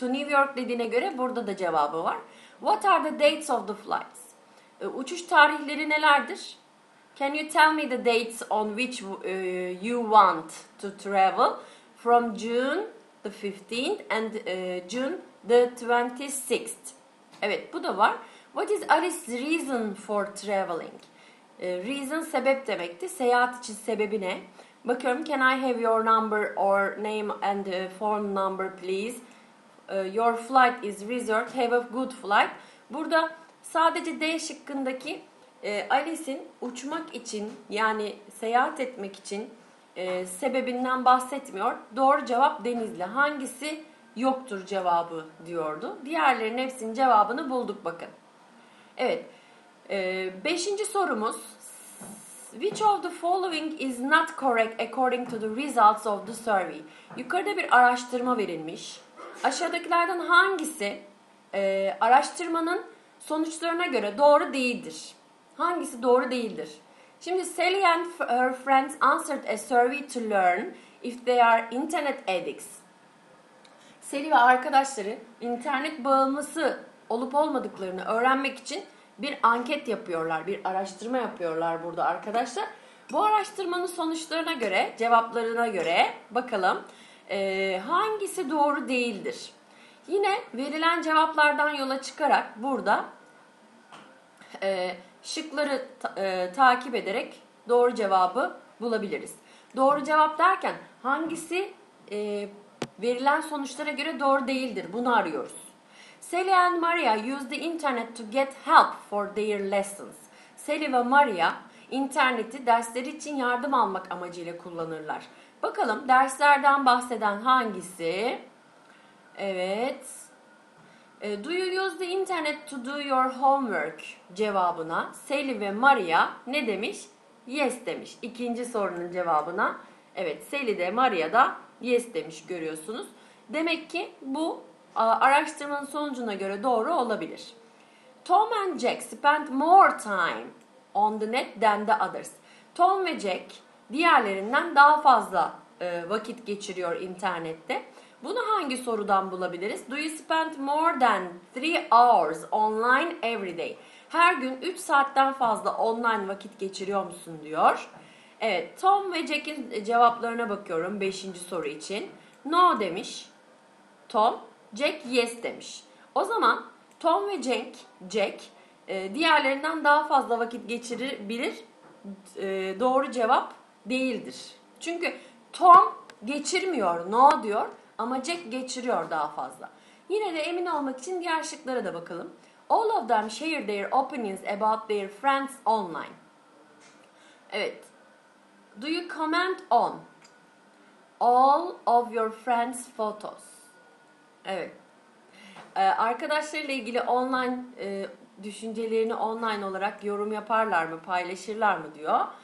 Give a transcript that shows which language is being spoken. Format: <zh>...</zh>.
<tr>To New York dediğine göre burada da cevabı var.</tr> <en>What are the dates of the flights?</en> <tr>Uçuş tarihleri nelerdir?</tr> <en>Can you tell me the dates on which you want to travel? From June the 15th and June the 26th.</en> <tr>Evet, bu da var.</tr> <en>What is Alice's reason for traveling?</en> <tr>Reason sebep demekti. Seyahat için sebebi ne? Bakıyorum,</tr> <en>can I have your number or name and phone number please? Your flight is reserved, have a good flight.</en> <tr>Burada sadece D şıkkındaki Alice'in uçmak için yani seyahat etmek için sebebinden bahsetmiyor. Doğru cevap Denizli. Hangisi yoktur cevabı diyordu. Diğerlerinin hepsinin cevabını bulduk bakın. Evet, 5. sorumuz.</tr> <en>Which of the following is not correct according to the results of the survey?</en> <tr>Yukarıda bir araştırma verilmiş. Aşağıdakilerden hangisi araştırmanın sonuçlarına göre doğru değildir? Hangisi doğru değildir? Şimdi</tr> <en>Sally and her friends answered a survey to learn if they are internet addicts.</en> <tr>Sally ve arkadaşları internet bağımlısı olup olmadıklarını öğrenmek için bir anket yapıyorlar, bir araştırma yapıyorlar burada arkadaşlar. Bu araştırmanın sonuçlarına göre, cevaplarına göre bakalım hangisi doğru değildir? Yine verilen cevaplardan yola çıkarak burada şıkları takip ederek doğru cevabı bulabiliriz. Doğru cevap derken hangisi verilen sonuçlara göre doğru değildir? Bunu arıyoruz.</tr> <en>Sally and Maria use the internet to get help for their lessons.</en> <tr>Sally ve Maria interneti dersleri için yardım almak amacıyla kullanırlar. Bakalım derslerden bahseden hangisi? Evet.</tr> <en>Do you use the internet to do your homework?</en> <tr>Cevabına Sally ve Maria ne demiş? Yes demiş. İkinci sorunun cevabına. Evet, Sally de Maria da yes demiş, görüyorsunuz. Demek ki bu araştırmanın sonucuna göre doğru olabilir.</tr> <en>Tom and Jack spent more time on the net than the others.</en> <tr>Tom ve Jack diğerlerinden daha fazla vakit geçiriyor internette. Bunu hangi sorudan bulabiliriz?</tr> <en>Do you spend more than 3 hours online every day?</en> <tr>Her gün 3 saatten fazla online vakit geçiriyor musun diyor. Evet, Tom ve Jack'in cevaplarına bakıyorum 5. soru için. No demiş Tom, Jack yes demiş. O zaman Tom ve Jack diğerlerinden daha fazla vakit geçirebilir. Doğru cevap değildir. Çünkü Tom geçirmiyor, no diyor. Ama Jack geçiriyor daha fazla. Yine de emin olmak için diğer şıklara da bakalım.</tr> <en>All of them share their opinions about their friends online.</en> <tr>Evet.</tr> <en>Do you comment on all of your friends' photos?</en> <tr>Evet. Arkadaşlarıyla ilgili online düşüncelerini online olarak yorum yaparlar mı, paylaşırlar mı diyor.</tr>